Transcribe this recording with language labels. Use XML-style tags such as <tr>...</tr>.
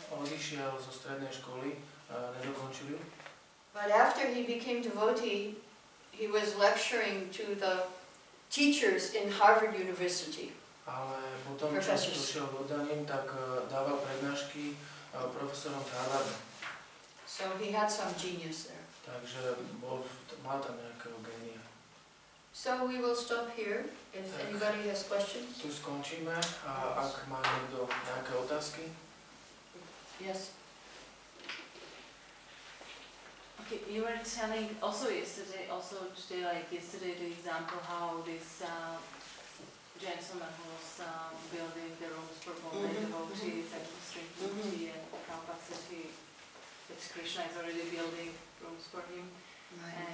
<sk>Odišiel zo strednej školy, nedokončil ju.</sk> <en>But after he became devotee, he was lecturing to the teachers in Harvard University.</en> <sk>Ale potom, čo došiel oddaným, tak dával prednášky profesorom z Harvardu.</sk> <en>So he had some genius there.</en> <sk>Takže mal tam nejakého genia.</sk> <en>So we will stop here if tak anybody has questions.</en> <sk>Tu skončíme, a yes. Ak má niekto nejaké otázky.</sk> <en>Yes. Okay, you were telling also today, like yesterday, the example how this gentleman who was building the rooms for all the devotees at the street and the capacity that Krishna is already building rooms for him. Right.</en>